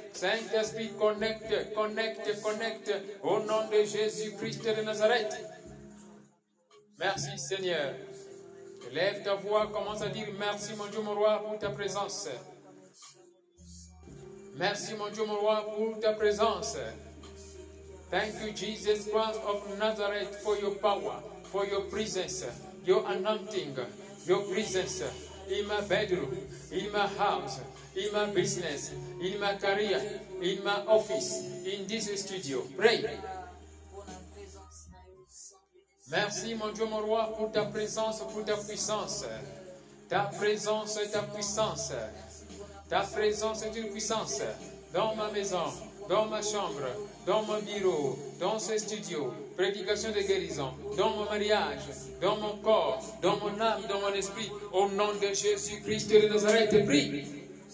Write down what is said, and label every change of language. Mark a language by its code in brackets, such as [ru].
[fr] Saint-Esprit, connecte, connecte, connecte. Au nom de Jésus-Christ de Nazareth. Merci Seigneur. Lève ta voix, commence à dire merci mon Dieu mon roi pour ta présence. Merci mon Dieu mon roi pour ta présence. [en] Thank you, Jesus Christ of Nazareth, for your power, for your presence, your anointing, your presence in my bedroom, in my house, in my business, in my career, in my office, in this studio. Pray. [fr] Merci, mon Dieu, mon roi, pour ta présence, pour ta puissance. Ta présence et ta puissance. Ta présence et une puissance dans ma maison. Dans ma chambre, dans mon bureau, dans ce studio, prédication de guérison, dans mon mariage, dans mon corps, dans mon âme, dans mon esprit, au nom de Jésus-Christ de Nazareth, prie.